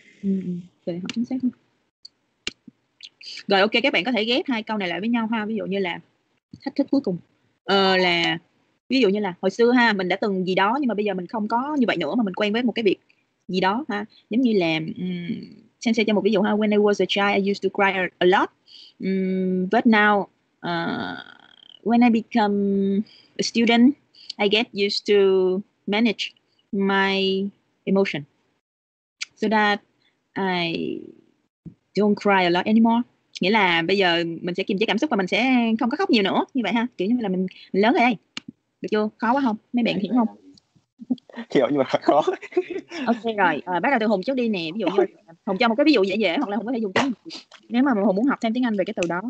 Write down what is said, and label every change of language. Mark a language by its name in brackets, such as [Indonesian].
[Vietnamese] Từ đại học chính xác không? Rồi ok, các bạn có thể ghép hai câu này lại với nhau ha. Ví dụ như là thách thức cuối cùng, là ví dụ như là hồi xưa ha, mình đã từng gì đó nhưng mà bây giờ mình không có như vậy nữa mà mình quen với một cái việc gì đó ha. Giống như là sensei cho một ví dụ ha. [English] When I was a child I used to cry a lot, but now when I become a student I get used to manage my emotion so that I don't cry a lot anymore. [Vietnamese] Nghĩa là bây giờ mình sẽ kiềm chế cảm xúc và mình sẽ không có khóc nhiều nữa. Như vậy ha, kiểu như là mình lớn rồi đây. Được chưa? Khó quá không? Mấy bạn hiểu không? Hiểu nhưng mà khó. Ok rồi, bắt đầu từ Hùng trước đi nè. Ví dụ như Hùng cho một cái ví dụ dễ dễ, hoặc là Hùng có thể dùng tiếng, nếu mà Hùng muốn học thêm tiếng Anh về cái từ đó.